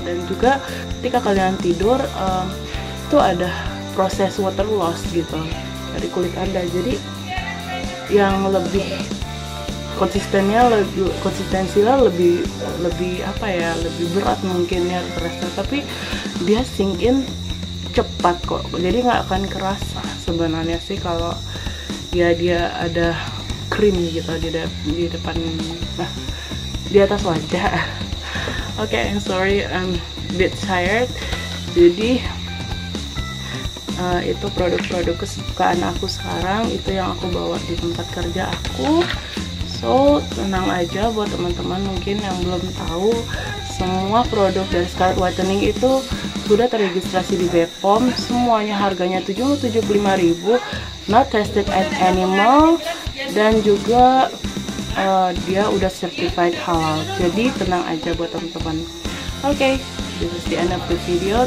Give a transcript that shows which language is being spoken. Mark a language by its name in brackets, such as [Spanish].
[Indonesian] Dan juga ketika kalian tidur itu ada proses water loss gitu dari kulit Anda, jadi yang lebih konsistennya, konsistensinya lebih apa ya, lebih berat mungkin ya terasa, tapi dia [English] sink in [Indonesian] cepat kok, jadi nggak akan kerasa sebenarnya sih kalau ya dia ada krim gitu di depan, nah, di atas wajah. [English] Oke, okay, I'm sorry, I'm a bit tired. [Indonesian] Jadi itu produk-produk kesukaan aku sekarang, itu yang aku bawa di tempat kerja aku. So tenang aja buat teman-teman mungkin yang belum tahu, semua produk dari Scarlet Whitening itu sudah terregistrasi di BPOM, semuanya harganya Rp75.000, [English] not tested at animal, [Indonesian] dan juga dia udah [English] certified [Indonesian] halal. Jadi tenang aja buat teman-teman. [English] Okay, this is the end of the video.